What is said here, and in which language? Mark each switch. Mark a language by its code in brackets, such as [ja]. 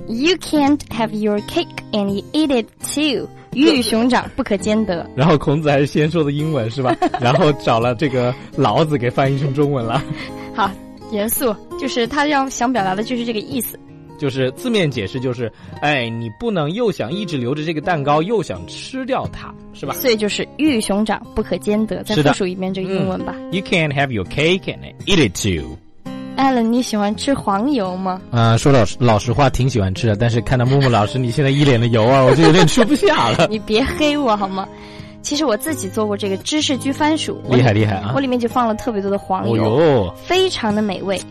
[en] You can't have your cake and you eat it too， [zh] 鱼与熊掌不可兼得。然后孔子还是先说的英文是吧，然后找了这个老子给翻译成中文了好，严肃，就是他要想表达的就是这个意思，就是字面解释就是哎，你不能又想一直留着这个蛋糕又想吃掉它是吧，所以就是鱼与熊掌不可兼得。再复述一遍这个英文吧、 [en] You can't have your cake and eat it too。 [zh] Alan 你喜欢吃黄油吗？说老实话挺喜欢吃的，但是看到木木老师你现在一脸的油啊我就有点吃不下了你别黑我好吗，其实我自己做过这个芝士焗番薯，厉害厉害啊！我里面就放了特别多的黄油、非常的美味，